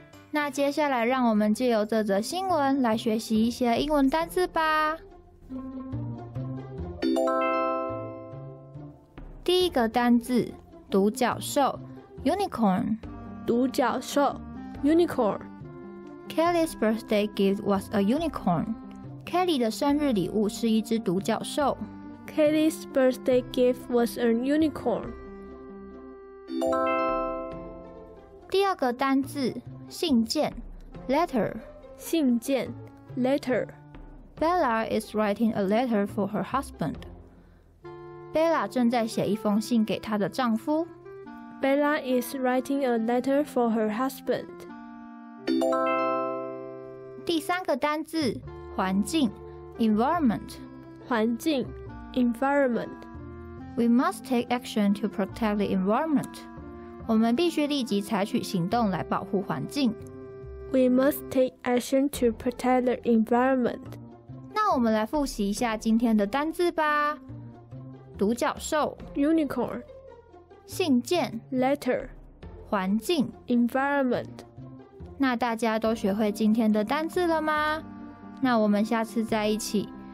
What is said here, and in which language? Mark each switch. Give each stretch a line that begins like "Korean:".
Chinese: 那接下来让我们借由这则新闻来学习一些英文单字吧。第一个单字，独角兽 ，unicorn，独角兽。Unicorn.
English: Kelly's birthday gift was a unicorn.
Chinese: Kelly 的生日礼物是一只独角兽。
English: Kelly's birthday gift was a unicorn.
Chinese: 第二个单字，信件 ，letter. 信件 ，letter.
English: Bella is writing a letter for her husband.
Chinese: Bella 正在写一封信给她的丈夫。
English: Bella is writing a letter for her husband.
Chinese: 第三个单字，环境 ，environment，环境 ，environment.
English: We must take action to protect the environment.
Chinese: 我们必须立即采取行动来保护环境。
English: We must take action to protect the environment.
Chinese: 那我们来复习一下今天的单字吧。独角兽
English: ，unicorn。
Chinese: 信件
English: ，letter，
Chinese: 环境
English: ，environment。
Chinese: 那大家都学会今天的单字了吗？那我们下次再一起